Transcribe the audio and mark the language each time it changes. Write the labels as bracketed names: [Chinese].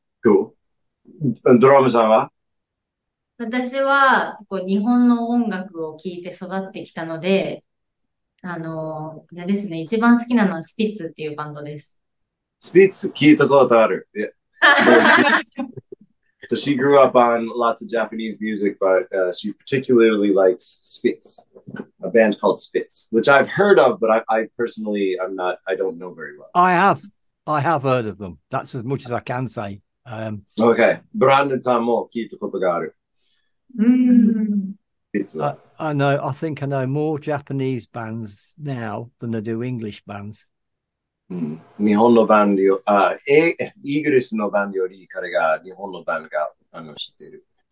[English] Cool. [Japanese] ドラムさんは？私は結構日本の音楽を聴いて育ってきたので、ですね、一番好きなのはスピッツっていうバンドです。スピッツ聞いたことある。 [English] So she grew up on lots of Japanese music, but she particularly likes Spitz, a band called Spitz, which I've heard of, but I personally don't know very well. I have heard of them. That's as much as I can say. [Japanese] Okay. Brandon さんも聞いたことがある。 [English] I think I know more Japanese bands now than I do English bands. [Japanese] うん、日本のバンド、あ、イーグルスのバンドより彼が日本のバンドが知ってる。